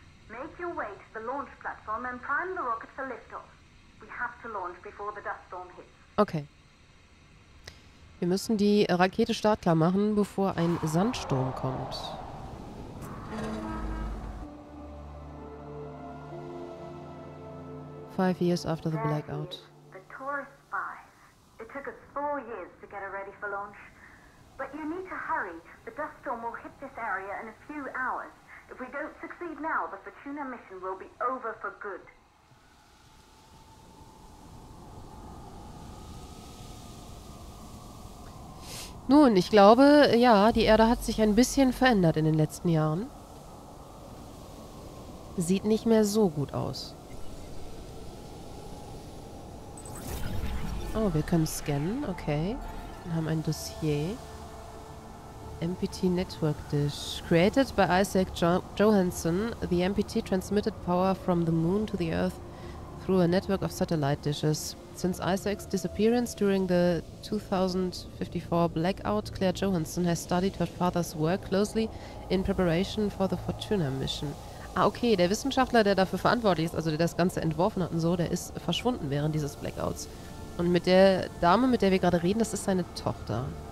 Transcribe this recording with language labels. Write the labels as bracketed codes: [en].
[en] Make your way to the launch platform and prime the rocket for liftoff. We have to launch before the dust storm hits. Okay. [de] Wir müssen die Rakete startklar machen, bevor ein Sandsturm kommt. [en] Five years after the blackout. The tourist five. It took us 4 years to get her ready for launch. But you need to hurry. The dust storm will hit this area in a few hours. If we don't succeed now, the Fortuna mission will be over for good. [de] Nun, ich glaube, ja, die Erde hat sich ein bisschen verändert in den letzten Jahren. Sieht nicht mehr so gut aus. Oh, wir können scannen, okay. Wir haben ein Dossier. [en] MPT Network Dish. Created by Isaac Johansson, the MPT transmitted power from the moon to the Earth through a network of satellite dishes. Since Isaac's disappearance during the 2054 blackout, Claire Johansson has studied her father's work closely in preparation for the Fortuna mission. [de] Ah, okay, der Wissenschaftler, der dafür verantwortlich ist, also der das Ganze entworfen hat und so, der ist verschwunden während dieses Blackouts. Und mit der Dame, mit der wir gerade reden, das ist seine Tochter.